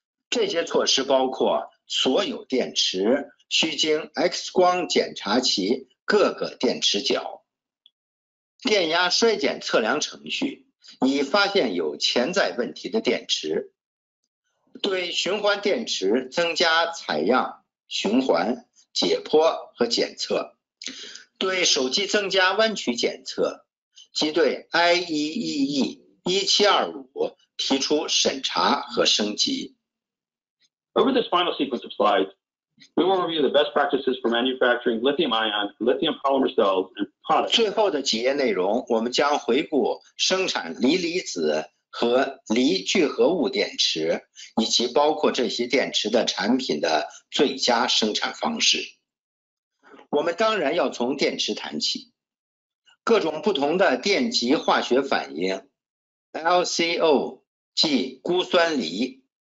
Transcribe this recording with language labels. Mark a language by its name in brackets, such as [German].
[Chinese] 这些措施包括所有电池需经 X 光检查其各个电池角，电压衰减测量程序以发现有潜在问题的电池，对循环电池增加采样、循环、解剖和检测，对手机增加弯曲检测，即对 IEEE 1725提出审查和升级。 [English] Over this final sequence of slides, we will review the best practices for manufacturing lithium-ion, lithium polymer cells and products. [Chinese] 最后的几页内容，我们将回顾生产锂离子和锂聚合物电池，以及包括这些电池的产品的最佳生产方式。我们当然要从电池谈起。各种不同的电极化学反应 ，LCO 即钴酸锂。